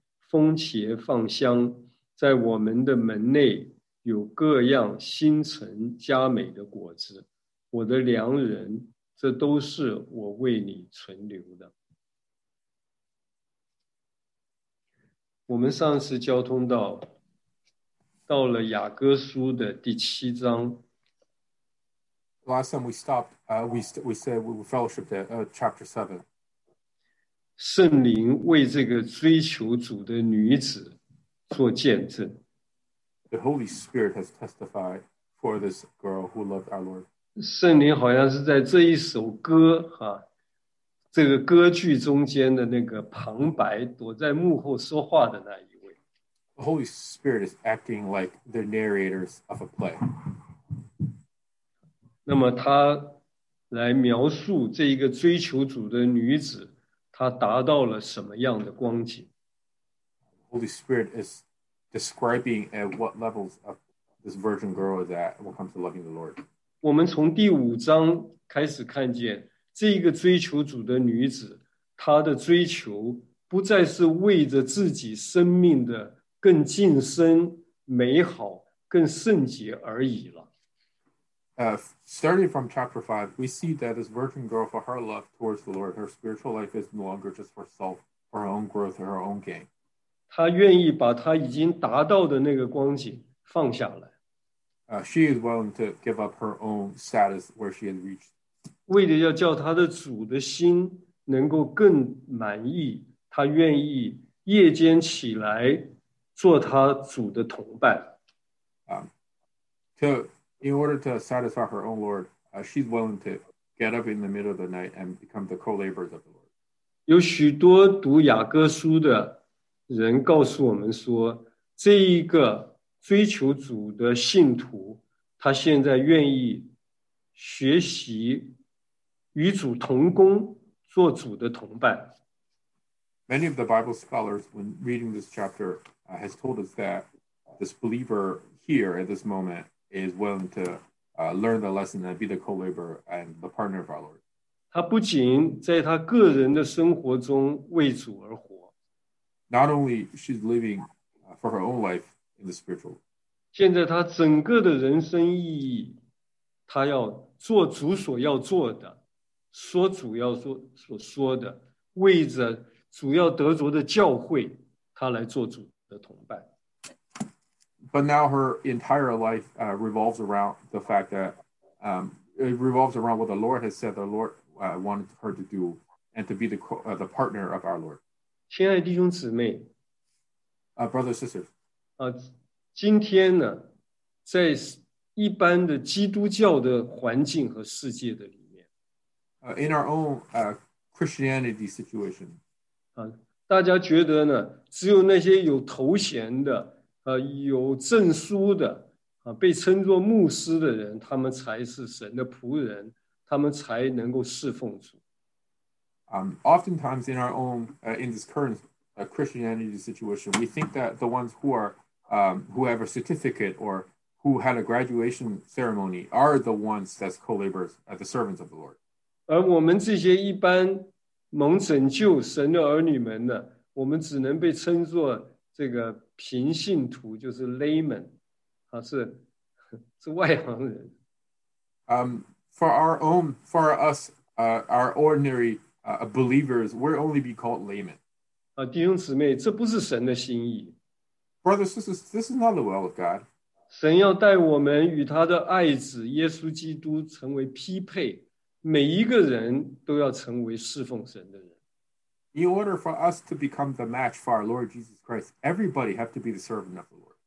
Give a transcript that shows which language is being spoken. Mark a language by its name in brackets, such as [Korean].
[Chinese] 蜂茄放香，在我们的门内有各样新陈佳美的果子。我的良人，这都是我为你存留的。我们上次交通到了雅歌书的第七章。 [English] Last time we stopped, we said we fellowshiped at chapter 7. [Chinese] 圣灵为这个追求主的女子做见证。 [English] The Holy Spirit has testified for this girl who loved our Lord. [Chinese] 圣灵好像是在这一首歌啊，这个歌剧中间的那个旁白，躲在幕后说话的那一位。 [English] The Holy Spirit is acting like the narrators of a play. [Chinese] 那么他来描述这一个追求主的女子，她达到了什么样的光景 [English] ？Holy Spirit is describing at what levels of this virgin girl is at when it comes to loving the Lord. [Chinese] 我们从第五章开始看见，这一个追求主的女子，她的追求不再是为着自己生命的更近身、美好、更圣洁而已了。 [English] Starting from chapter 5, we see that this virgin girl, for her love towards the Lord, her spiritual life is no longer just for self, for her own growth, or her own gain. [Chinese] 她愿意把她已经达到的那个光景放下来。 [English] She is willing to give up her own status where she has reached. [Chinese] 为了要叫她的主的心能够更满意，她愿意夜间起来做她主的同伴。 [English] In order to satisfy her own Lord, she's willing to get up in the middle of the night and become the co-laborers of the Lord. [Chinese] 有许多读雅歌书的人告诉我们说，这一个追求主的信徒，他现在愿意学习与主同工，做主的同伴。 [English] Many of the Bible scholars, when reading this chapter, has told us that this believer here at this moment. Is willing to learn the lesson and be the co-laborer and the partner of our Lord. [Chinese] 他不仅在他个人的生活中为主而活。 [English] Not only she's living for her own life in the spiritual. [Chinese] 现在他整个的人生意义，他要做主所要做的，说主要说所说的，为着主要得着的教会，他来做主的同伴。 [English] But now her entire life revolves around the fact that it revolves around what the Lord has said the Lord wanted her to do and to be the partner of our Lord. [Chinese] 亲爱弟兄姊妹 [English] Brothers and sisters. [Chinese] 今天呢，在一般的基督教的环境和世界的里面 [English] In our own Christianity situation. [Chinese] 大家觉得呢，只有那些有头衔的有证书的被称作牧师的人，他们才是神的仆人，他们才能够侍奉主。 [English] Oftentimes in our own, in this current Christianity situation, we think that the ones who are, who have a certificate or who had a graduation ceremony are the ones that's co-laborers, the servants of the Lord. [Chinese] 而我们这些一般蒙拯救神的儿女们呢，我们只能被称作这个平信徒就是 layman, 是外行人。 [English] For us, our ordinary believers, we'll only be called laymen. [Chinese] 弟兄姊妹，这不是神的心意。 [English] Brothers, this is not the will of God. [Chinese] 神要带我们与他的爱子耶稣基督成为匹配，每一个人都要成为侍奉神的人。 [English] In order for us to become the match for our Lord Jesus Christ, everybody have to be the servant of the Lord.